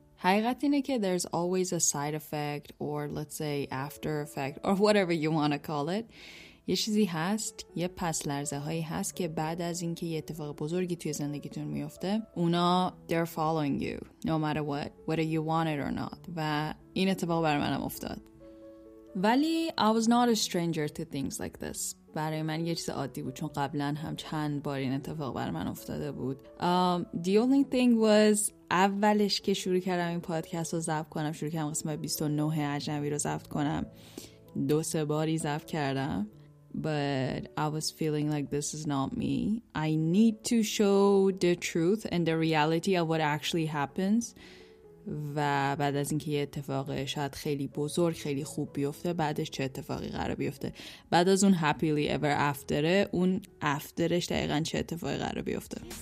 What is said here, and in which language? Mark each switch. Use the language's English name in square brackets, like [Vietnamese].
[Persian] حقیقت اینه که [English] there's always a side effect or let's say after effect or whatever you want to call it. [Persian] یه چیزی هست، یه پس لرزه هایی هست که بعد از اینکه یه اتفاق بزرگی توی زندگیتون میفته اونا [English] they're following you no matter what, whether you want it or not. [Persian] و این اتفاق برای منم افتاد. ولی [English] I was not a stranger to things like this. [Persian] برای من یه چیز عادی بود چون قبلا هم چند بار این اتفاق برای من افتاده بود. [English] The only thing was [Persian] اولش که شروع کردم این پادکست رو ضبط کنم، شروع کردم قسمت 29 اجنبی رو ضبط کنم، دو سه باری ضبط کردم. [English] But I was feeling like this is not me. I need to show the truth and the reality of what actually happens. [Persian] و بعد از اینکه یه اتفاق شاید خیلی بزرگ خیلی خوب بیفته بعدش چه اتفاقی قرار بیفته، بعد از اون [English] happily ever after [Persian] اون afterش دقیقا چه اتفاقی قرار بیفته.